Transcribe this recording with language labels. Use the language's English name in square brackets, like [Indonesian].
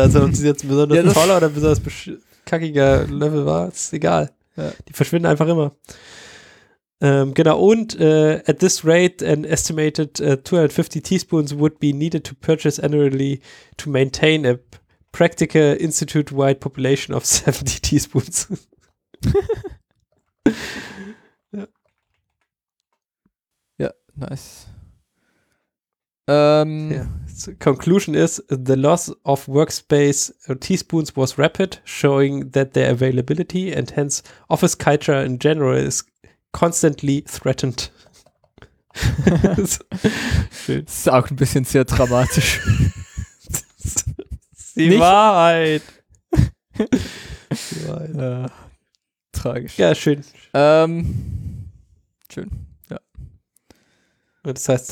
[German] Also ob es jetzt besonders ja, toller oder besonders kackiger Löffel war, ist egal. Ja. Die verschwinden einfach immer. Genau, und [English] at this rate, an estimated 250 teaspoons would be needed to purchase annually to maintain a practical institute-wide population of 70 teaspoons. [German] Ja. Ja, nice. [English] So, conclusion is, the loss of workspace teaspoons was rapid, showing that their availability and hence office culture in general is constantly threatened. [German] Schön. Das ist auch ein bisschen sehr dramatisch. Die nicht? Wahrheit. Die Wahrheit. Ja. Tragisch. Ja, schön. Schön. Das heißt,